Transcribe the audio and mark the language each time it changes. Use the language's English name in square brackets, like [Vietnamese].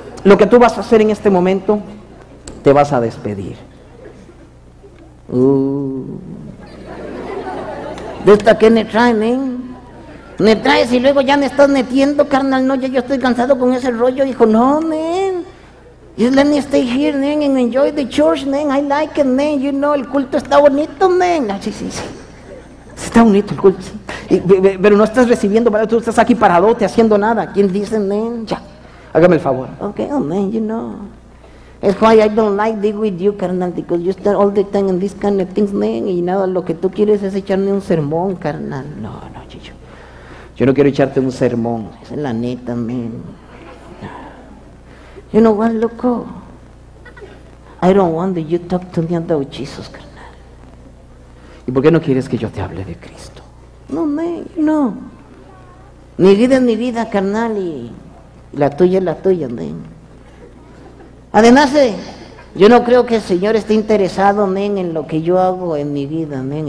[Spanish] Lo que tú vas a hacer en este momento, te vas a despedir. ¿De esta qué me traen, men? Me traes y luego ya me estás metiendo, carnal. No, ya yo estoy cansado con ese rollo, hijo. [English] No, man. Just let me stay here, man, and enjoy the church, man. I like it, man. You know, [Spanish] el culto está bonito, [English] man. [Spanish] Sí. Está bonito el culto, sí. Pero no estás recibiendo, ¿verdad? Tú estás aquí paradote, haciendo nada. ¿Quién dice amén? Ya, hágame el favor. [English] Okay, amén, you know. Es why I don't like deal with you, carnal, because you start all the time in this kind of things, man, [Spanish] y nada, lo que tú quieres es echarme un sermón, carnal. No, no, Chicho. Yo no quiero echarte un sermón. Esa es la neta, man. [English] You know what, loco? I don't want that you talk to me about Jesus, carnal. [Spanish] ¿Y por qué no quieres que yo te hable de Cristo? No, man, no. Mi vida, carnal, y la tuya es la tuya, man. Además, yo no creo que el Señor esté interesado, men, en lo que yo hago en mi vida, men.